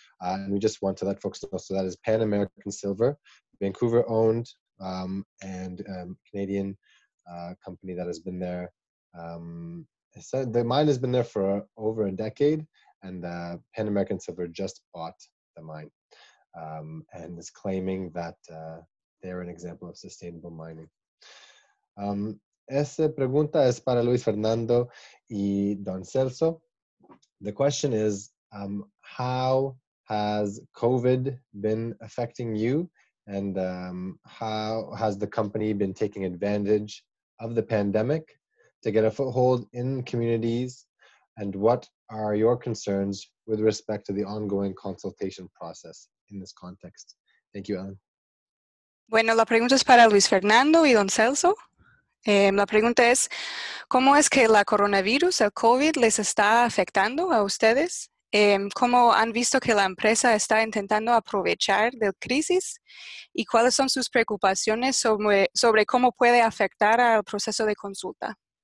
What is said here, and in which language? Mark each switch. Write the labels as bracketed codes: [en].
[en] And we just want to let folks know, so that is Pan American Silver, Vancouver owned, and Canadian company that has been there. The mine has been there for over a decade, and Pan American Silver just bought the mine and is claiming that they're an example of sustainable mining. [es] Esa pregunta es para Luis Fernando y Don Celso. [en] The question is, how has COVID been affecting you, and how has the company been taking advantage of the pandemic to get a foothold in communities, and what are your concerns with respect to the ongoing consultation process in this context? Thank you, Ellen. [es] Bueno, la pregunta es para Luis Fernando y Don Celso. La pregunta es, ¿cómo es que la coronavirus, el COVID, les está afectando a ustedes? ¿Cómo han visto que la empresa está intentando aprovechar de la crisis? ¿Y cuáles son sus preocupaciones sobre cómo puede afectar al proceso de consulta?